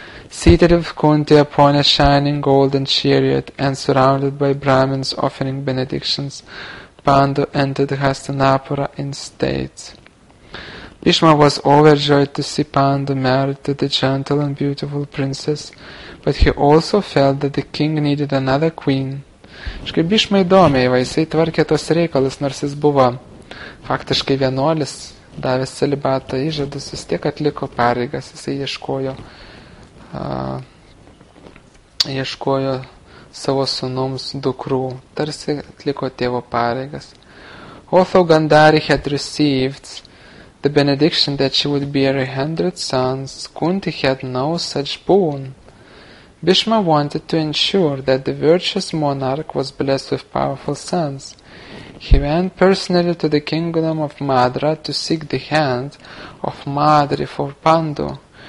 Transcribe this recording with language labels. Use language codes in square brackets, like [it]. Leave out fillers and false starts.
[en] Seated with Kunti upon a shining golden chariot and surrounded by Brahmins offering benedictions, Pandu entered Hastinapura in state. Bhishma was overjoyed to see Pandu married to the gentle and beautiful princess, but he also felt that the king needed another queen. [lt] Iškai Bhishma įdomiai, va, jisai tvarkė tos reikalus, nors jis buvo faktiškai vienuolis, davęs celibato įžadus, jis tiek atliko pareigas, jisai ieškojo savo sunums dukrų, tarsi atliko tėvo pareigas. [en] Although Gandhari had received the benediction that she would bear 100 sons, Kunti had no such boon. Bhishma wanted to ensure that the virtuous monarch was blessed with powerful sons. He went personally to the kingdom of Madra to seek the hand of Madri for Pandu.